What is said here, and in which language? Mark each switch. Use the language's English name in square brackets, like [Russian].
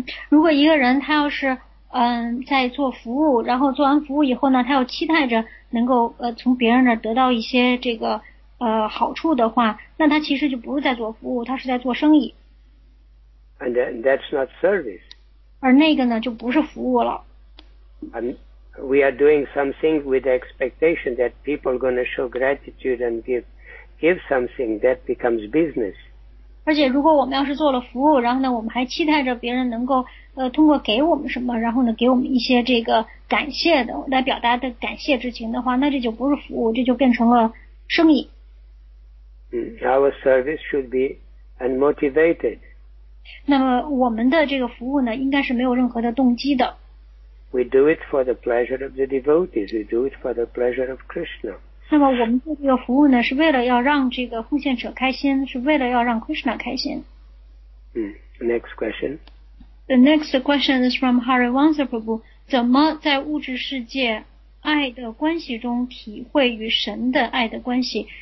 [Chinese] 如果一个人他要是在做服务，然后做完服务以后呢，他又期待着能够从别人那得到一些这个好处的话，那他其实就不是在做服务，他是在做生意。 [English] And that's not service. [Chinese] 而那个呢就不是服务了。 [English] And we are doing something with the expectation that people are going to show gratitude and give something that becomes business. [Chinese] 而且如果我们要是做了服务，然后呢我们还期待着别人能够通过给我们什么，然后呢给我们一些这个感谢的来表达的感谢之情的话，那这就不是服务，这就变成了生意。 [English] Our service should be unmotivated. [Chinese] 那么我们的这个服务呢应该是没有任何的动机的。 [English] We do it for the pleasure of the devotees. We do it for the pleasure of Krishna. [Chinese] 那么我们做这个服务呢，是为了要让这个奉献者开心，是为了要让 Krishna 开心。 [English] Next question. The next question is from Hariwansa Prabhu. [Chinese] 怎么在物质世界爱的关系中体会与神的爱的关系？